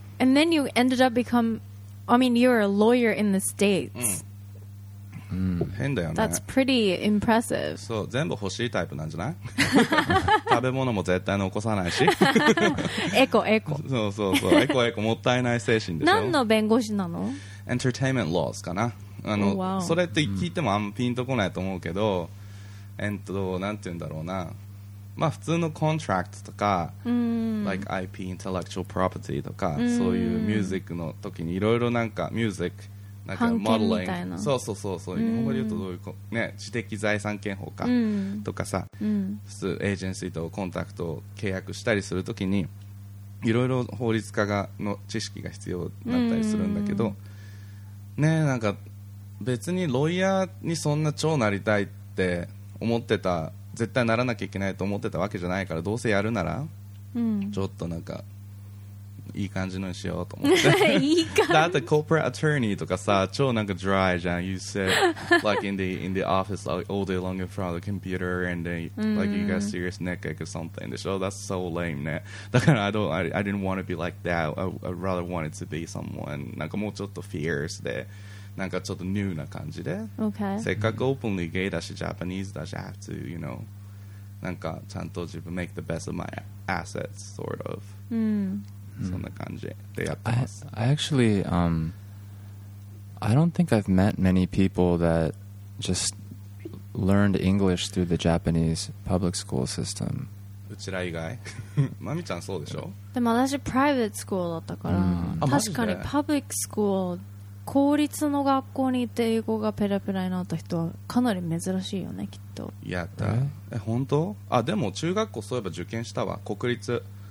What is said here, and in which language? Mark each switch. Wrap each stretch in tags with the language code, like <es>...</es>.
<en>And then you ended up become I mean you're a lawyer in the States、</en> <ja>うん、変だよね。</ja> <en>That's pretty impressive.</en> <ja>そう、全部欲しいタイプなんじゃない？食べ物も絶対残さないし。エコエコ。そうそうそう。エコエコもったいない精神でしょ。何の弁護士なの？エンターテインメントロースかな。あの、</ja> <en>oh, wow.</en> <ja>それって聞いてもあんまピンとこないと思うけど、なんて言うんだろうな。まあ普通のコントラクトとか、</ja> <en>like IP intellectual property</en> <ja>とか、そういうミュージックの時にいろいろなんかミュージック。なんかモデリング、そうそうそうそう、日本語で言うとどういうこね、知的財産権法かとかさ、普通エージェンシーとコンタクトを契約したりするときにいろいろ法律家がの知識が必要だったりするんだけど、ね、なんか別にロイヤーにそんな超なりたいって思ってた、絶対ならなきゃいけないと思ってたわけじゃないから、どうせやるならちょっとなんかいい感じのにしようと思っていい感じだってコーポレートアトーニーとかさ超なんかドライじゃん。</ja> <en>You sit like in the office like, all day long in front of the computer and then like you got serious neck ache or something でしょ。 That's so lame ね。だから I didn't want to be like that. I rather wanted to be someone</en> <ja>なんかもうちょっと fierce でなんかちょっとニューな感じで、</ja> <en>okay.</en> <ja>せっかく</ja> <en>openly gay だし Japanese だし I have to you know</en> <ja>なんかちゃんと自分</ja> <en>make the best of my assets sort of、 I actually I don't think I've met many people that just learned English through the Japanese public school system.</en> <ja>うちら以外マミちゃんそうでしょ。でも私 private school だったから、確かに public school 公立の学校に行って英語がペラペラになった人はかなり珍しいよねきっと。やった、え、本当？あ、でも中学校そういえば受験したわ、国立。</ja>